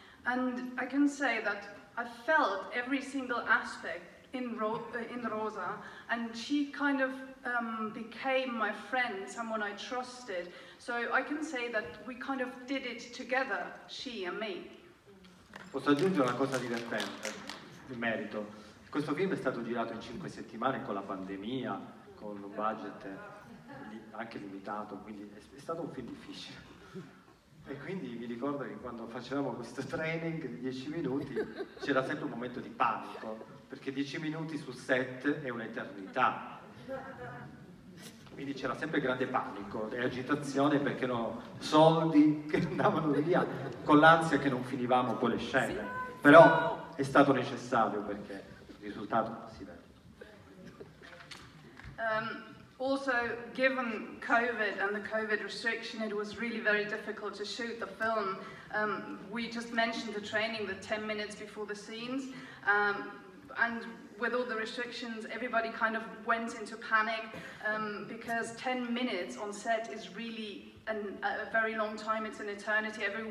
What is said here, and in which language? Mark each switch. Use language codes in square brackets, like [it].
[en] And I can say that I felt every single aspect in Rosa, and she kind of became my friend, someone I trusted. So I can say that we kind of did it together, she and me. [it] Posso aggiungere una cosa divertente in merito. Questo film è stato girato in 5 settimane con la pandemia, con un budget anche limitato, quindi è stato un film difficile. E quindi mi ricordo che quando facevamo questo training di 10 minuti c'era sempre un momento di panico, perché 10 minuti su 7 è un'eternità. Quindi c'era sempre grande panico e agitazione, perché erano soldi che andavano via, con l'ansia che non finivamo con le scene. Però è stato necessario, perché il risultato si vede. [en] Also, given COVID and the COVID restriction, it was really very difficult to shoot the film. We just mentioned the training, the 10 minutes before the scenes. And with all the restrictions, everybody kind of went into panic, because 10 minutes on set is really a very long time. It's an eternity.